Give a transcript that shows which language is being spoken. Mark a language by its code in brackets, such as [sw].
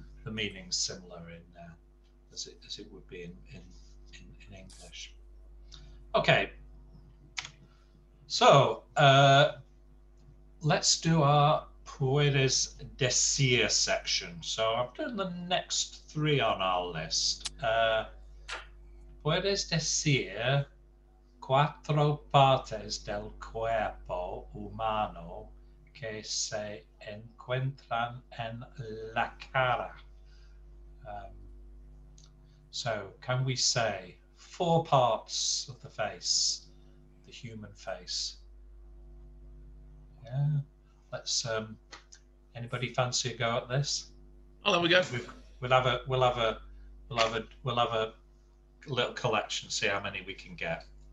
[en] The meaning's similar in as it would be in English. Okay. So let's do our puedes decir section. So I've done the next three on our list. [es] Puedes decir cuatro partes del cuerpo humano que se encuentran en la cara. [en] So can we say four parts of the face, the human face? Yeah. Let's anybody fancy a go at this? Oh, there we go. We'll have a little collection, see how many we can get.